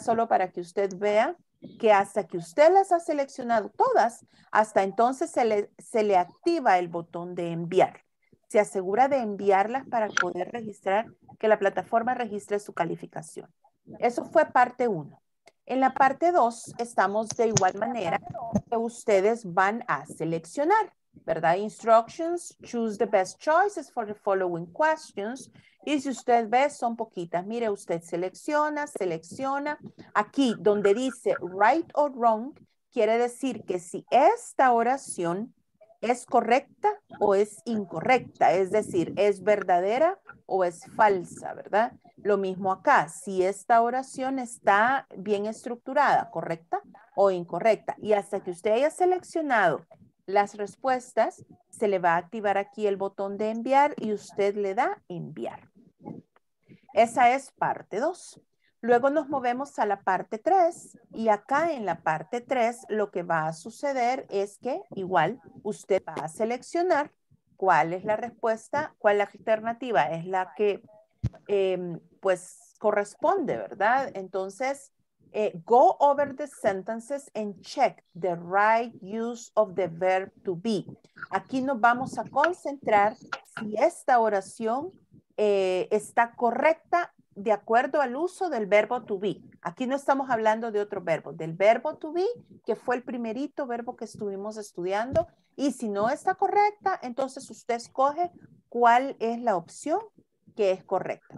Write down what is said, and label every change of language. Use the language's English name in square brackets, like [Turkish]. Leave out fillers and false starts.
[Spanish] Solo para que usted vea que hasta que usted las ha seleccionado todas, hasta entonces se le activa el botón de enviar. Se asegura de enviarlas para poder registrar, que la plataforma registre su calificación. Eso fue parte 1. En la parte 2 estamos de igual manera que ustedes van a seleccionar. ¿verdad? [English] Instructions, choose the best choices for the following questions. [Spanish] Y si usted ve, son poquitas. Mire, usted selecciona, selecciona. Aquí, donde dice [English] right or wrong, [Spanish] quiere decir que si esta oración es correcta o es incorrecta. Es decir, es verdadera o es falsa, ¿verdad? Lo mismo acá. Si esta oración está bien estructurada, correcta o incorrecta. Y hasta que usted haya seleccionado las respuestas, se le va a activar aquí el botón de enviar y usted le da enviar. Esa es parte 2. Luego nos movemos a la parte 3 y acá en la parte 3 lo que va a suceder es que igual usted va a seleccionar cuál es la respuesta, cuál alternativa es la que pues corresponde, ¿verdad? [English] Entonces, go over the sentences and check the right use of the verb to be. [Spanish] Aquí nos vamos a concentrar si esta oración está correcta de acuerdo al uso del verbo to be. Aquí no estamos hablando de otro verbo, del verbo to be, que fue el primerito verbo que estuvimos estudiando. Y si no está correcta, entonces usted escoge cuál es la opción que es correcta.